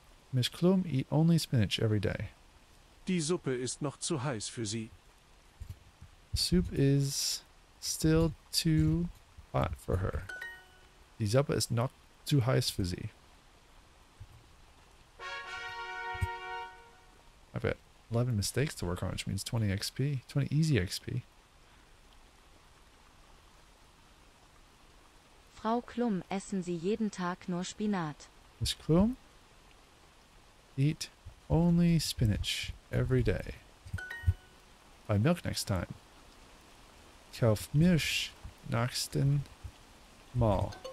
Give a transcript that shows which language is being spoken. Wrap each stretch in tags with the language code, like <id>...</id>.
<en>Miss Klum, eat only spinach every day.</en> <de>Die Suppe ist noch zu heiß für Sie.</de> <en>Soup is still too hot for her.</en> <de>Die Suppe ist noch zu heiß für Sie.</de> <en>I've got 11 mistakes to work on, which means 20 XP. 20 easy XP.</en> <de>Frau Klum, essen Sie jeden Tag nur Spinat.</de> <en>Miss Klum, eat only spinach every day. Buy milk next time.</en> <de>Kauf Milch nächsten Mal.</de>